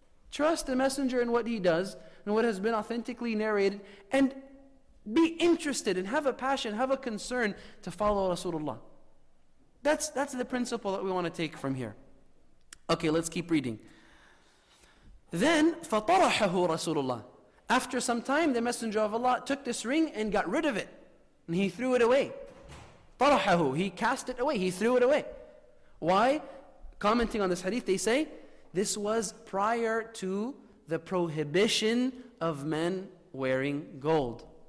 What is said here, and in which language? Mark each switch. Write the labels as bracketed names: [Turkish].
[English] Trust the Messenger in what he does and what has been authentically narrated, and be interested and have a passion, have a concern to follow Rasulullah. That's the principle that we want to take from here. Okay, let's keep reading. Then, [Arabic] فَطَرَحَهُ رَسُولُ اللَّهِ. [English] After some time, the Messenger of Allah took this ring and got rid of it. And he threw it away. طَرَحَهُ. He cast it away. He threw it away. Why? Commenting on this hadith, they say, this was prior to the prohibition of men wearing gold.